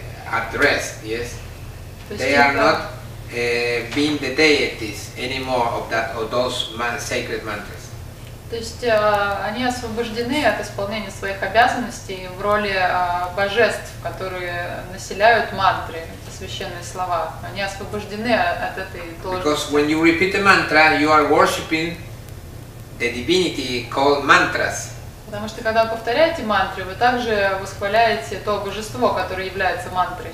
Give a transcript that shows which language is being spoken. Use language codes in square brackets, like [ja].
[en] addressed, yes? They are not being the deities anymore of that or those sacred mantras. [ru] То есть они освобождены от исполнения своих обязанностей в роли божеств, которые населяют мантры, священные слова. Они освобождены от этой должности. [en] Because when you repeat a mantra, you are worshipping the divinity called mantras. [ru] Потому что когда вы повторяете мантры, вы также восхваляете то божество, которое является мантрой.